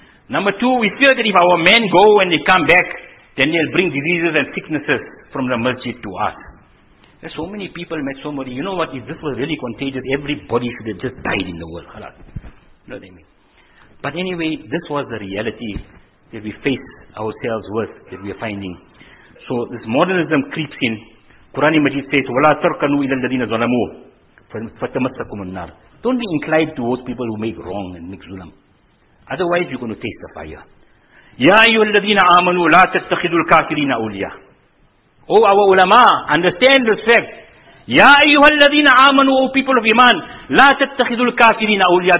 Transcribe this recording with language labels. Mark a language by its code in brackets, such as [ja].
[en] Number two, we fear that if our men go and they come back, then they'll bring diseases and sicknesses from the masjid to us. There's so many people met somebody. You know what? If this was really contagious, everybody should have just died in the world. You know what I mean? But anyway, this was the reality that we face ourselves with, that we are finding. So this modernism creeps in. Quran Majid says, [ar] وَلَا تَرْكَنُوا إِلَى الَّذِينَ ظَلَمُوا فَتَمَسَّكُمُ النَّارِ. [en] Don't be inclined towards people who make wrong and make zulam. Otherwise, you're going to taste the fire. [ar] يَا أَيُّهَا الَّذِينَ آمَنُوا لَا تَتَّخِذُوا الْكَافِرِينَ أَوْلِيَاءَ. [en] Oh, our ulama, understand this fact. [ar] Ya ayyuhalladhina amanu, [en] O people of iman, [ar] la tattakhidul kafirina awliya.